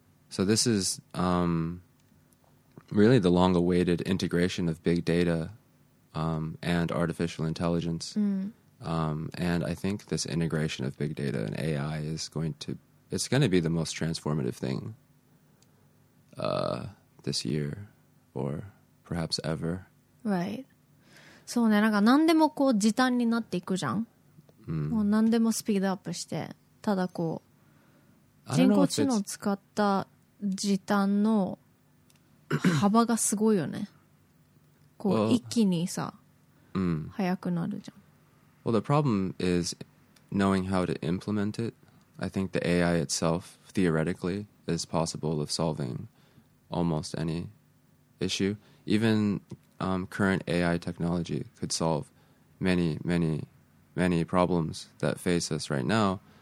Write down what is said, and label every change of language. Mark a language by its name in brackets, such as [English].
[English] So this is really the long-awaited integration of big data and artificial intelligence. And I think this integration of big data and AI is going to be the most transformative thing this year or perhaps ever. Right. [Japanese] そうね、なんか何でもこう時短になっていくじゃん。もう何でもスピードアップして、ただこう人工知能を使った時短の幅がすごいよね。こう一気にさ、速くなるじゃん。 [English] Well, the problem is knowing how to implement it. I think the AI itself, theoretically, is possible of solving almost any issue. Even current AI technology could solve many, many, many problems that face us right now.